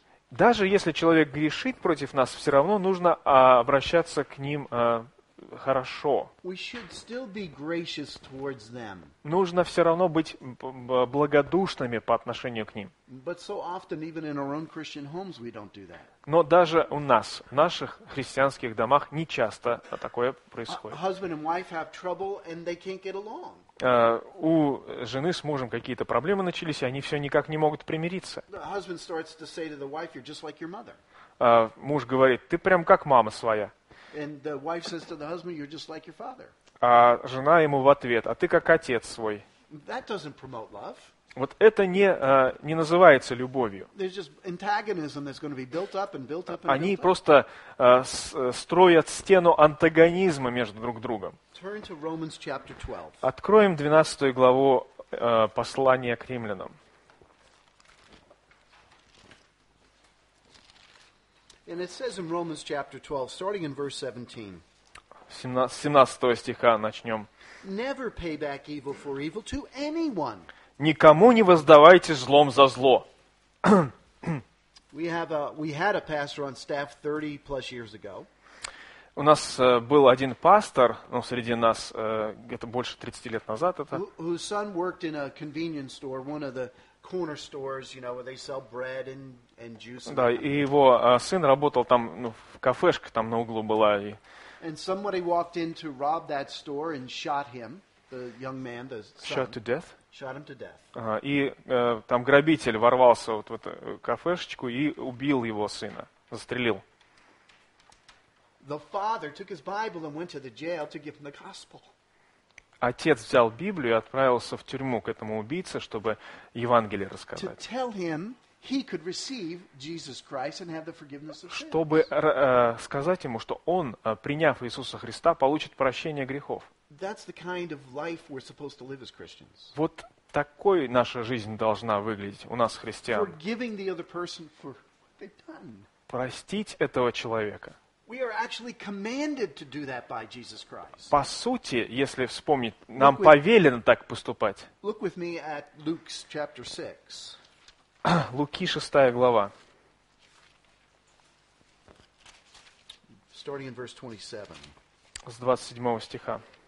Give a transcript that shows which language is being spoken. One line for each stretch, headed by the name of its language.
Russian: Даже если человек грешит против нас, все равно нужно обращаться к ним хорошо.
English: We should still be gracious towards them.
Russian: Нужно все равно быть благодушными по отношению к ним.
English: But so often, even in our own Christian homes, we don't do that.
Russian: Но даже у нас, в наших христианских домах, не часто такое происходит.
English: Husband and wife have trouble, and they can't get along.
Russian: У жены с мужем какие-то проблемы начались, и они все никак не могут примириться.
English: The husband starts to say to the wife, "You're just like your mother."
Russian: Муж говорит, ты прям как мама своя.
English: And the wife says to the husband, "You're just like your father."
Russian: А жена ему в ответ: "А ты как отец свой."
English: That doesn't promote love.
Russian: Вот это не называется любовью.
English: There's just antagonism that's going to be built up and built up and.
Russian: Они просто строят стену антагонизма между друг другом.
English: Turn to Romans chapter 12.
Russian: Откроем 12 главу послания к римлянам.
English: And it says in Romans chapter 12, starting in verse 17.
Russian: 17 стиха начнем.
English: Never pay back evil for evil to anyone.
Russian: Никому не воздавайте злом за зло.
English: We had a pastor on staff 30 plus years ago.
Russian: У нас был один пастор, ну, среди нас, где-то больше 30 лет назад это.
English: Whose son worked in a convenience store, one of the corner stores, you know, where they sell bread and juice.
Russian: Да, и его сын работал там, ну, в кафешке там на углу была. И...
English: And somebody walked in to rob that store and shot him, the young man, the son. Shot to death? Shot him to death.
Russian: И там грабитель ворвался вот в эту кафешечку и убил его сына, застрелил.
English: The father took his Bible and went to the jail to give him the gospel.
Russian: Отец взял Библию и отправился в тюрьму к этому убийце, чтобы Евангелие рассказать.
English: To tell him he could receive Jesus Christ and have the forgiveness of sins.
Russian: Чтобы сказать ему, что он, приняв Иисуса Христа, получит прощение грехов.
English: That's the kind of life we're supposed to live as Christians.
Russian: Вот такой наша жизнь должна выглядеть у нас, христиан.
English: Forgiving the other person for what they've done.
Russian: Простить этого человека.
English: We are actually commanded to do that by Jesus Christ.
Russian: По сути, если вспомнить, нам повелено так поступать.
English: Look with me at Luke's chapter 6.
Russian: Луки 6 глава.
English: Starting in verse 27.
Russian: С 27 стиха.